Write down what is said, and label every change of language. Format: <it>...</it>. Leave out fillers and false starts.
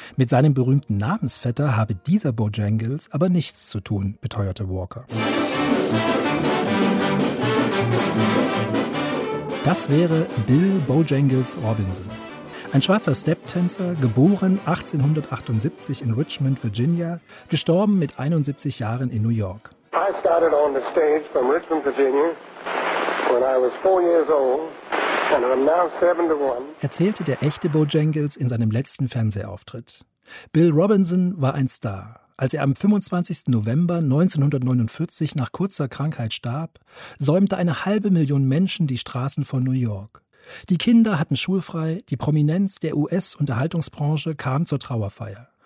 <de>Mit seinem berühmten Namensvetter habe dieser Bojangles aber nichts zu tun, beteuerte Walker. Das wäre Bill Bojangles Robinson. Ein schwarzer Step-Tänzer, geboren 1878 in Richmond, Virginia, gestorben mit 71 Jahren in New York.</de> <en>I started on the stage from Richmond, Virginia, when I was 4 years old, and I'm now 71.</en> <de>Erzählte der echte Bojangles in seinem letzten Fernsehauftritt. Bill Robinson war ein Star. Als er am 25. November 1949 nach kurzer Krankheit starb, säumte eine 500.000 Menschen die Straßen von New York. Die Kinder hatten schulfrei, die Prominenz der US-Unterhaltungsbranche kam zur Trauerfeier.</de>